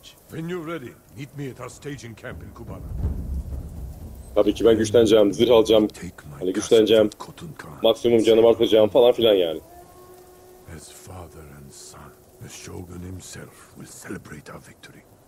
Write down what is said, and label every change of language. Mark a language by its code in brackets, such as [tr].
[en] When you're ready, meet me at our staging camp in Kubana. [tr] Tabii ki ben güçleneceğim, zırh alacağım, hani güçleneceğim, maksimum canım artacağım falan filan yani. [en] As father and son, the shogun himself will celebrate our victory.